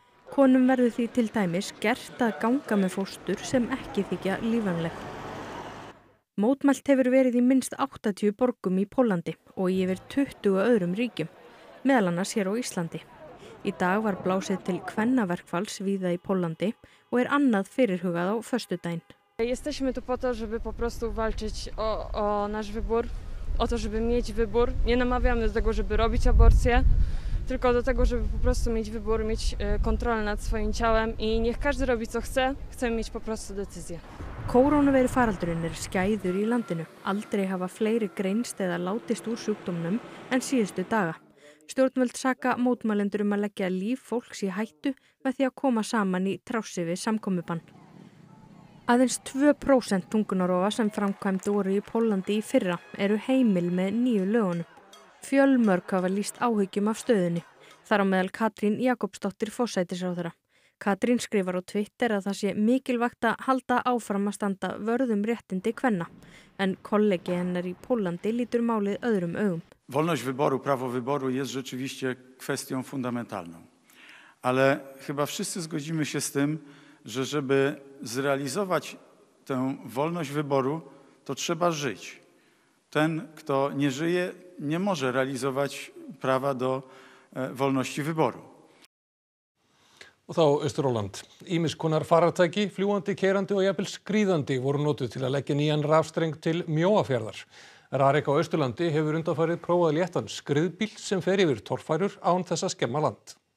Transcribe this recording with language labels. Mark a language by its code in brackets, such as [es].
[is] Konum verður því til dæmis gert að ganga með fóstur sem ekki þykja lífvænleg. Mótmælt hefur verið í minnst 80 borgum í Póllandi og í yfir 20 öðrum ríkjum, meðal annars hér á Íslandi. Í dag var blásið til kvennaverkfalls víða í Póllandi og annað fyrirhugað á föstudaginn. [pl] Jesteśmy tu po to, żeby po prostu walczyć o nasz wybór, o to, żeby mieć wybór. Nie namawiamy do tego, żeby robić aborcję, tylko do tego, żeby po prostu mieć wybór, mieć kontrolę nad swoim ciałem i niech każdy robi co chce, chcemy mieć po prostu decyzję. [is] Koronaveiru faraldurinn skæður í landinu. Aldrei hafa fleiri greinst eða látist úr sjúkdómnum en síðustu daga. Stjórnvöld saka mótmælendur að leggja líf fólks í hættu með því að koma saman í trássi við samkomubann. Aðeins 2% þungunarrofa sem framkvæmd voru í Póllandi í fyrra eru heimil með nýju lögunum. Fjölmörg hafa lýst áhyggjum af stöðunni. Þar á meðal Katrín Jakobsdóttir forsætisráðherra. Katrín skrifar á Twitter að það sé mikilvægt að halda áfram að standa vörðum réttindi kvenna. En kollegi hennar í Póllandi lítur málið öðrum augum. [pl] Wolność wyboru, prawo wyboru jest rzeczywiście kwestią fundamentalną. Ale chyba wszyscy zgodzimy się z tym, że żeby zrealizować tę wolność wyboru, to trzeba żyć. Ten, kto nie żyje, nie może realizować prawa do wolności wyboru. [is] Og þá Austur Róland. Ýmis konar farartæki, fljúandi, keirandi og jafnvel skríðandi voru notuð til að leggja nýjan rafstreng til Mjóafjarðar. Rarik á Austurlandi hefur undanfarið prófað léttan skriðbíl sem fer yfir torfærur án þessa skemma land.